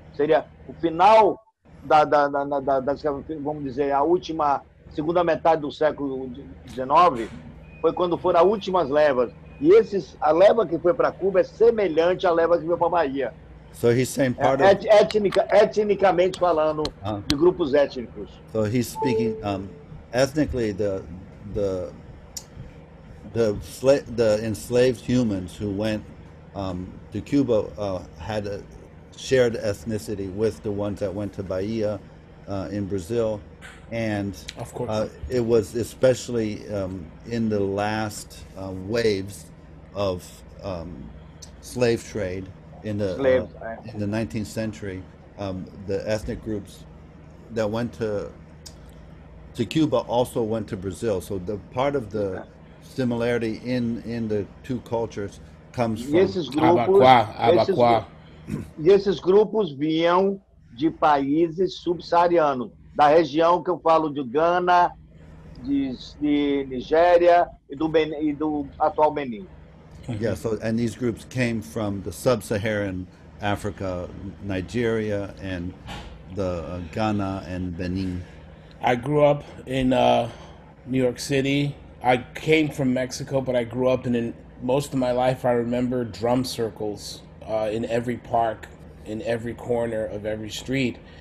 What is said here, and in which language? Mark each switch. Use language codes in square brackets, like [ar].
[pt] Seria o final da vamos dizer, a última, segunda metade do século XIX, foi quando foram as últimas levas. E esses, a leva que foi para Cuba é semelhante à leva que veio para a Bahia. [en] So he's saying part of... [pt] Etnicamente falando, de grupos étnicos. [en] So he's speaking ethnically, the enslaved humans who went to Cuba had a shared ethnicity with the ones that went to Bahia in Brazil. And of course, it was especially in the last waves of slave trade in the 19th century, the ethnic groups that went to Cuba also went to Brazil. So the part of the similarity in the two cultures comes from Abacuá. [pt] E esses grupos vinham de países subsaarianos, da região que eu falo de Gana, de Nigéria e do atual Benin. [en] Yeah, so and these groups came from the sub-Saharan Africa, Nigeria and the Ghana and Benin. I grew up in New York City. I came from Mexico, but I grew up in most of my life I remember drum circles in every park, in every corner of every street.